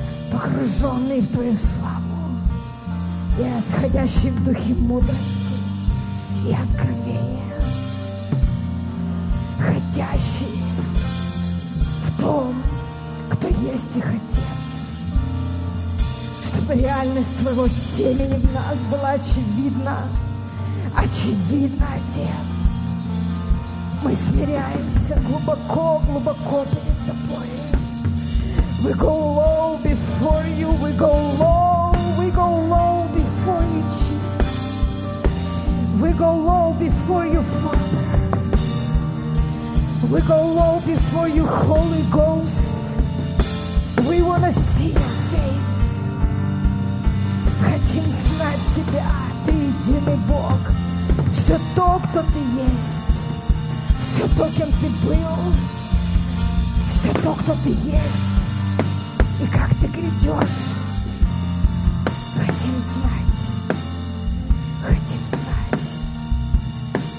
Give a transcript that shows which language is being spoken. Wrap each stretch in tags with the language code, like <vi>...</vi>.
<ru>погруженный в твою славу, я сходящий в духе мудрости и откровения, ходящий в том, кто есть их Отец, чтобы реальность твоего семени в нас была очевидна, очевидна, Отец. Мы смиряемся глубоко, глубоко перед тобой.</ru> <en>We go low before you, we go low, we go low before you, Jesus. We go low before you, Father. We go low before you, Holy Ghost. We want to see your face.</en> <ru>Хотим знать тебя, ты единый Бог. Все то, кто ты есть. Все то, кем ты был. Все то, кто ты есть. И как ты грядешь, хотим знать, хотим знать.</ru>